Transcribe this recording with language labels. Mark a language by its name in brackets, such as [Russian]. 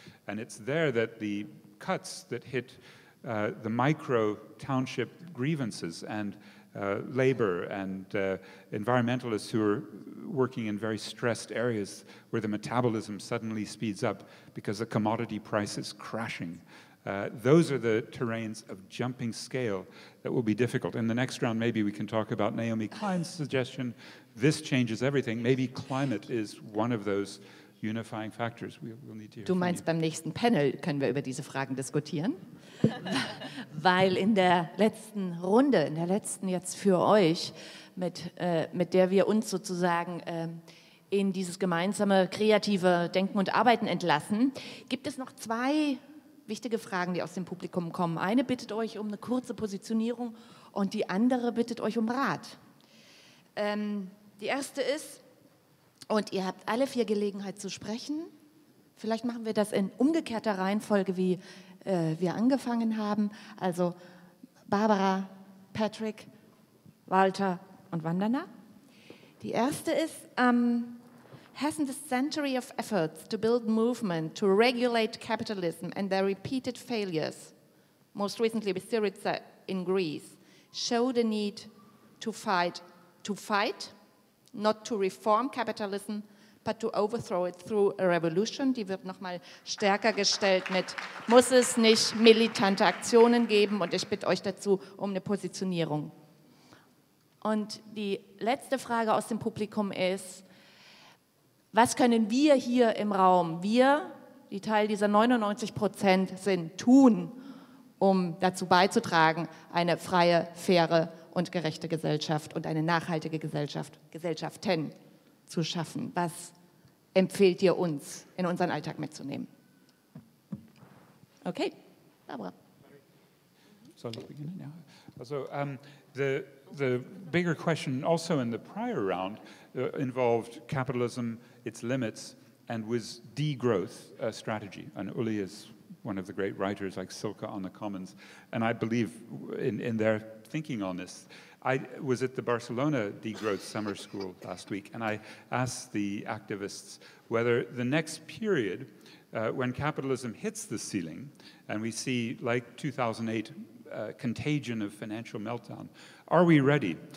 [English] And it's there that the cuts that hit the micro township grievances and labor and environmentalists who are working in very stressed areas where the metabolism suddenly speeds up because the commodity price is crashing. Those are the terrains of jumping scale that will be difficult. In the next round, maybe we can talk about Naomi Klein's suggestion, this changes everything. Maybe climate is one of those unifying factors. We'll need to hear. [German] Du meinst, beim nächsten Panel können wir über diese Fragen diskutieren? Weil in der letzten Runde, in der letzten jetzt für euch, mit der wir uns sozusagen in dieses gemeinsame kreative Denken und Arbeiten entlassen, gibt es noch zwei wichtige Fragen, die aus dem Publikum kommen. Eine bittet euch um eine kurze Positionierung und die andere bittet euch um Rat. Die erste ist, und ihr habt alle vier Gelegenheit zu sprechen, vielleicht machen wir das in umgekehrter Reihenfolge, wie wir angefangen haben, also Barbara, Patrick, Walter und Vandana. Die erste ist, [English] hasn't the century of efforts to build movement, to regulate capitalism and their repeated failures, most recently with Syriza in Greece, show the need to fight, not to reform capitalism, but to overthrow it through a revolution? [German] Die wird nochmal stärker gestellt mit, muss es nicht militante Aktionen geben? Und ich bitte euch dazu um eine Positionierung. Und die letzte Frage aus dem Publikum ist, was können wir hier im Raum, wir, die Teil dieser 99% sind, tun, um dazu beizutragen, eine freie, faire und gerechte Gesellschaft und eine nachhaltige Gesellschaften zu schaffen? Was empfehlt ihr uns, in unseren Alltag mitzunehmen? Okay, Barbara. Soll ich beginnen? Ja. [English] Also, the bigger question also in the prior round involved capitalism, its limits, and was degrowth a strategy. And Uli is one of the great writers like Silke on the commons. And I believe in their thinking on this. I was at the Barcelona degrowth summer school last week, and I asked the activists whether the next period, when capitalism hits the ceiling, and we see, like 2008, a contagion of financial meltdown, are we ready?